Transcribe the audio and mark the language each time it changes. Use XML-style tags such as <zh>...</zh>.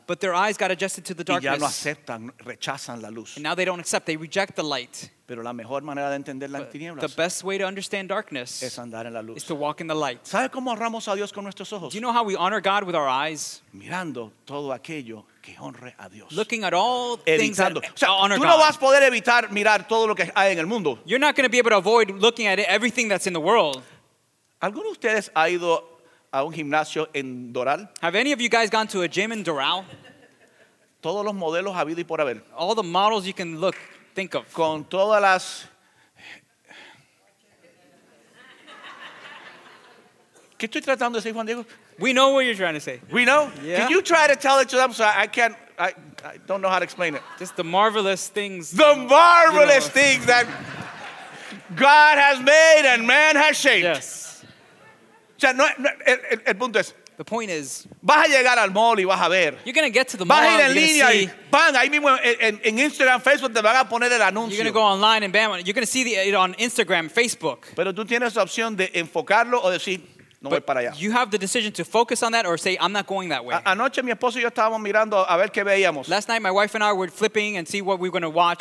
<en>But their eyes got adjusted to the darkness.</en> <es>Y ya no aceptan, rechazan la luz.</es> <en>And now they don't accept, they reject the light.</en> <es>Pero la mejor manera de entender las tinieblas.</es> <en>The best way to understand darkness</en> <es>es andar en la luz.</es> <en>Is to walk in the light.</en> <es>¿Sabe cómo honramos a Dios con nuestros ojos?</es> <en>Do you know how we honor God with our eyes?</en> <es>Mirando todo aquello que honre a Dios.</es> <en>Looking at all things</en> <es>evitando.</es> <en>That</en> <es>o sea,</es> <en>honor</en> <es>tú</es> <en>God.</en> <es>No vas a poder evitar mirar todo lo que hay en el mundo.</es> <en>You're not going to be able to avoid looking at everything that's in the world.</en> <es>¿Alguno de ustedes ha ido a un gimnasio en Doral?</es> <en>Have any of you guys gone to a gym in Doral?</en> <es>Todos los modelos habido y por haber.</es> <en>All the models you can look, think of.</en> <es>Con todas las... ¿Qué estoy tratando de decir, Juan Diego?</es> <en>We know what you're trying to say. We know? Yeah. Can you try to tell it to them so I can't... I don't know how to explain it. Just the marvelous things. The marvelous you know. Things that God has made and man has shaped. Yes.</en> <es>O sea, no, el punto es,</es> <en>The point is,</en> <es>vas a llegar al mall y vas a ver.</es> <en>You're going to get to the mall.</en> <es>Vas a ir en línea y bam, ahí mismo en Instagram, Facebook te van a poner el anuncio.</es> <en>You're going to go online and bam, you're going to see it on Instagram, Facebook.</en> <es>Pero tú tienes la opción de enfocarlo o decir no voy para allá.</es> <en>You have the decision to focus on that or say I'm not going that way.</en> <es>Anoche mi esposo y yo estábamos mirando a ver qué veíamos.</es> <en>Last night my wife and I were flipping and see what we're going to watch.</en>